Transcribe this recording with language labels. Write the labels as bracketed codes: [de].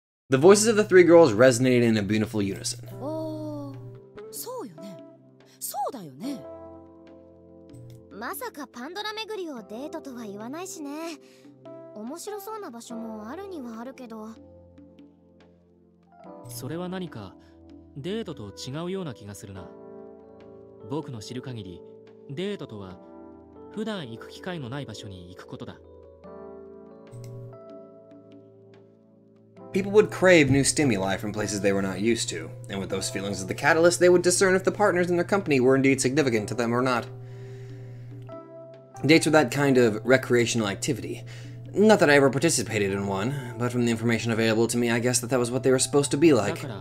[en] The voices of the three girls resonated in a beautiful unison. [ja] そうよね。そうだよね。まさかパンドラ巡りをデートとは言わないしね。面白そうな場所もあるにはあるけど。それは何かデートと違うような気がするな。僕の知る限りデートとは普段行く機会のない場所に行くことだ。 [en] People would crave new stimuli from places they were not used to, and with those feelings as the catalyst, they would discern if the partners in their company were indeed significant to them or not. Dates were that kind of recreational activity. Not that I ever participated in one, but from the information available to me, I guess that was what they were supposed to be like.